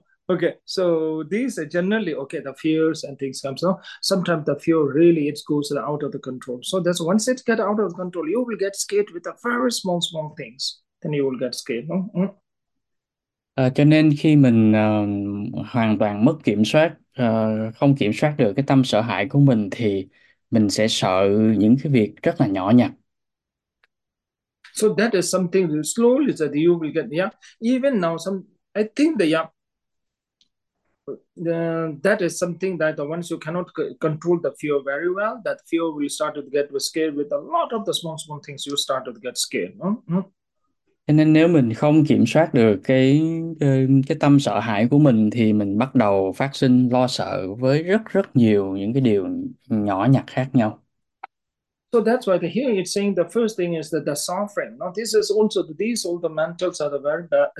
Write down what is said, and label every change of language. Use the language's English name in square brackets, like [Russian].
[English] Okay, so these are generally, okay, the fears and things come. So sometimes the fear really, it goes out of the control. So that's once it gets out of control, you will get scared with the very small, small things. Then you will get scared. No? [Vietnamese] Cho nên khi mình hoàn toàn mất kiểm soát, không kiểm soát được cái tâm sợ hãi của mình, thì mình sẽ sợ những cái việc rất là nhỏ nhặt. [English] So that is something that slowly that you will get, yeah. Even now, I think that, yeah, that is something that once you cannot control the fear very well, that fear will start to get scared with a lot of the small, small things you start to get scared. [Vietnamese] Nên nếu mình không kiểm soát được cái tâm sợ hãi của mình thì mình bắt đầu phát sinh lo sợ với rất rất nhiều những cái điều nhỏ nhặt khác nhau. [English] So that's why here it's saying the first thing is that the suffering. Now this is also these all the mentals are the very bad.